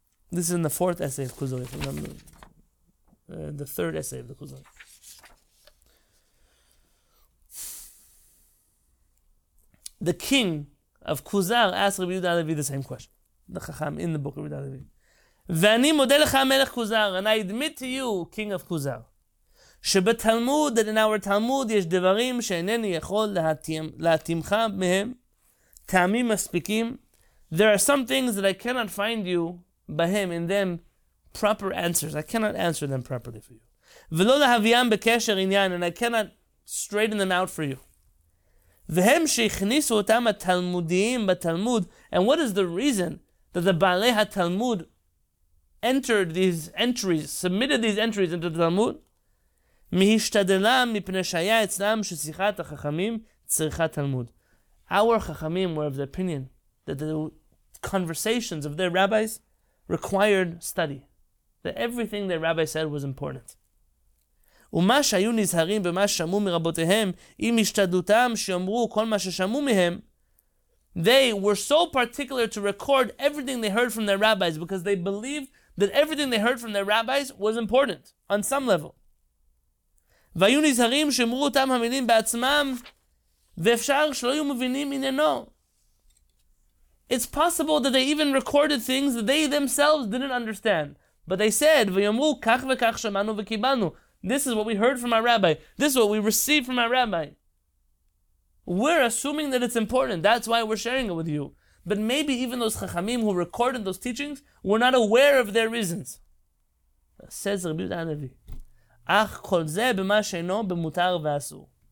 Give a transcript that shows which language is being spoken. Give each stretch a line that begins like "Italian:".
English: This is in the fourth essay of Kuzari, the third essay of the Kuzari. The king of Kuzar asked Rabbi Yehuda Alevi the same question, the Chacham in the book of Rabbi Yehuda Alevi.
Hebrew: V'ani modeh lecha melech Kuzar,
English: and I admit to you, king of Kuzar,
Hebrew: שבתלמוד,
English: that in our Talmud,
Hebrew: יש דברים שאינני יכול להתימך מהם, טעמים מספיקים.
English: There are some things that I cannot find you
Hebrew: בהם,
English: in them, proper answers. I cannot answer them properly for you.
Hebrew: ולא להביאם בקשר עניין,
English: and I cannot straighten them out for you.
Hebrew: והם שהכניסו אותם התלמודיים בתלמוד,
English: and what is the reason that the בעלי התלמוד entered these entries, submitted these entries into the Talmud?
Hebrew: מהשתדלם מפני שהיה אצלם ששיחת החכמים צריכה תלמוד.
English: Our חכמים were of the opinion that the conversations of their rabbis required study, that everything their rabbi said was important.
Hebrew: ומה שהיו נזהרים ומה ששמעו מרבותיהם, עם השתדלותם שיאמרו כל מה ששמעו מהם,
English: they were so particular to record everything they heard from their rabbis because they believed that everything they heard from their rabbis was important on some level.
Hebrew: והיו נזהרים שאמרו אותם המילים בעצמם, ואפשר שלא היו מבינים עניינו.
English: It's possible that they even recorded things that they themselves didn't understand. But they said,
Hebrew: ויאמרו כך וכך שמענו וקיבלנו.
English: This is what we heard from our rabbi. This is what we received from our rabbi. We're assuming that it's important. That's why we're sharing it with you. But maybe even those chachamim who recorded those teachings were not aware of their reasons. Says Rabbi Yehuda Alevi.
Hebrew: Ach kol ze b'ma she'no b'mutar v'asur.